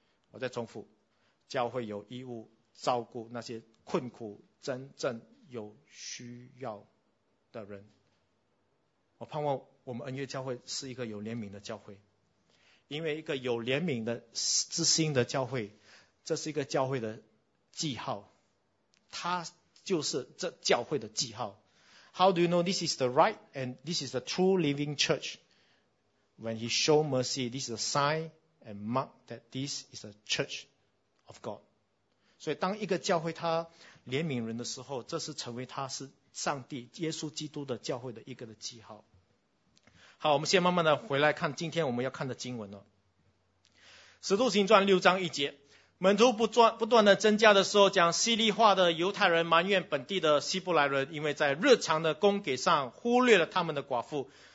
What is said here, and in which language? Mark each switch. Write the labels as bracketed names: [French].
[Chinese] 我再重复，教会有义务照顾那些困苦、真正有需要。的人，我盼望我们恩悦教会是一个有怜悯的教会，因为一个有怜悯的之心的教会，这是一个教会的记号，它就是这教会的记号。 [English] How do you know this is the right and this is the true living church? When he show mercy, this is a sign and mark that this is a church of God. [Chinese] 所以当一个教会他怜悯人的时候，这是成为他是上帝耶稣基督的教会的一个的记号。好，我们先慢慢的回来看今天我们要看的经文了。使徒行传六章一节，门徒不断的增加的时候，讲希利话的犹太人埋怨本地的希伯来人，因为在日常的供给上忽略了他们的寡妇。